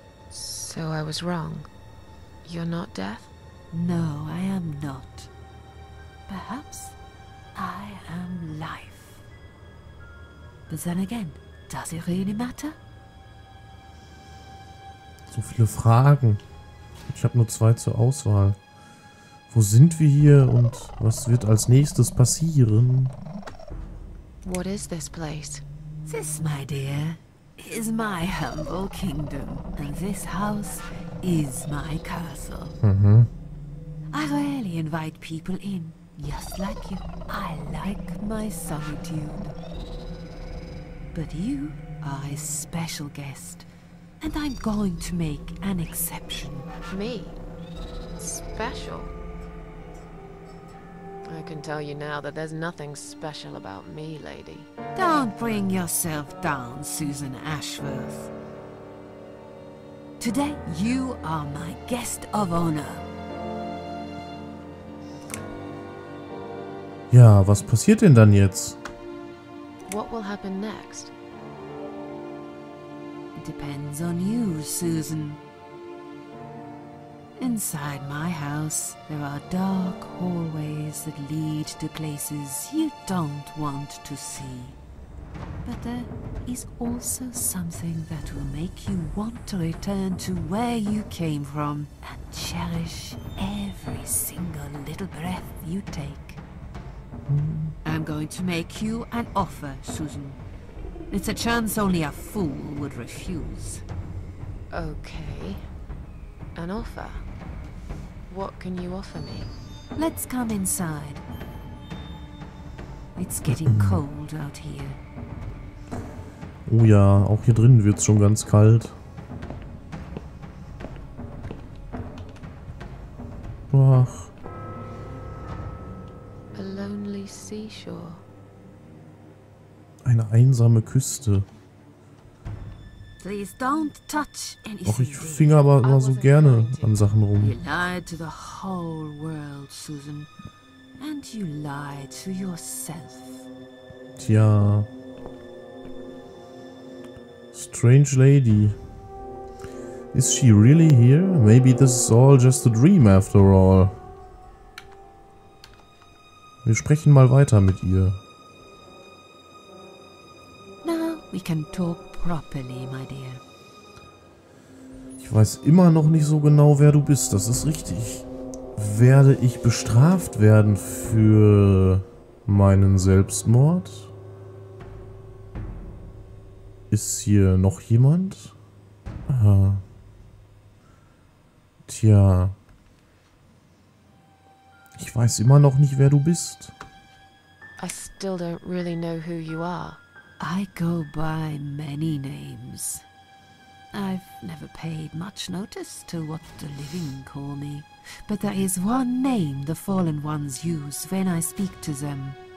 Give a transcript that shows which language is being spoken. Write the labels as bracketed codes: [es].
[en] So I was wrong. You're not Death? No, I am not. Perhaps I am Life. But then again, does it really matter? [de] So viele Fragen. Ich habe nur zwei zur Auswahl. Wo sind wir hier und was wird als nächstes passieren? [en] What is this place? This, my dear, is my humble kingdom. And this house is my castle. Mhm. I rarely invite people in, just like you. I like my solitude. But you are a special guest. And I'm going to make an exception. Me? Special? I can tell you now that there's nothing special about me, lady. Don't bring yourself down, Susan Ashworth. Today, you are my guest of honor. [de] Ja, was passiert denn dann jetzt? [en] What will happen next? Depends on you, Susan. Inside my house, there are dark hallways that lead to places you don't want to see. But there is also something that will make you want to return to where you came from and cherish every single little breath you take. I'm going to make you an offer, Susan. It's a chance only a fool would refuse. Okay. An offer? What can you offer me? Let's come inside. It's getting cold out here. [de] Oh ja, auch hier drinnen wird's schon ganz kalt. Ach. [en] A lonely seashore. [de] Eine einsame Küste. [en] Please don't touch anything. [de] Och, ich fing aber immer so gerne an Sachen rum. [en] You lied to the whole world, Susan. And you lied to yourself. [de] Tja. [en] Strange lady. Is she really here? Maybe this is all just a dream after all. [de] Wir sprechen mal weiter mit ihr. [en] We can talk properly, my dear. [de] Ich weiß immer noch nicht so genau, wer du bist. Das ist richtig. Werde ich bestraft werden für meinen Selbstmord? Ist hier noch jemand? Tja. Ich weiß immer noch nicht, wer du bist. [en] I still don't really know who you are. I go by many names. I've never paid much notice to what the living call me. But there is one name the fallen ones use when I speak to them.